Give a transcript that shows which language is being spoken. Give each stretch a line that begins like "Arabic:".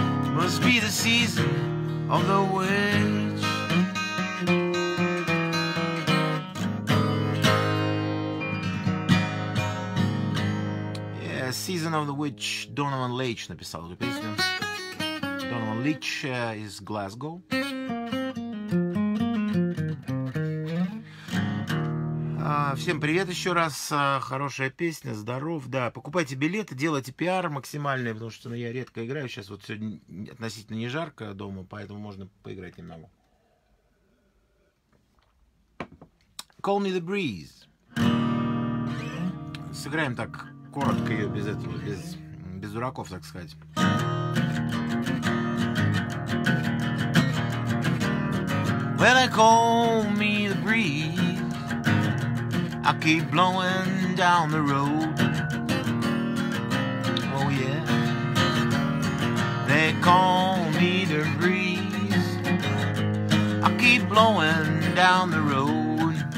English: Must be the season of the witch. Yeah, Season of the Witch.
Russian: Donovan Leitch написал эту песню. Donovan Leitch из Glasgow. Всем привет еще раз, хорошая песня, здоров, да, покупайте билеты, делайте пиар максимальный, потому что я редко играю, сейчас вот сегодня относительно не жарко дома, поэтому можно поиграть немного.
English: Call Me The Breeze.
Russian: Сыграем так, коротко ее, без этого, без дураков, так сказать.
English: Well, they call me the breeze, I keep blowing down the road. Oh yeah. They call me the breeze, I keep blowing down the road.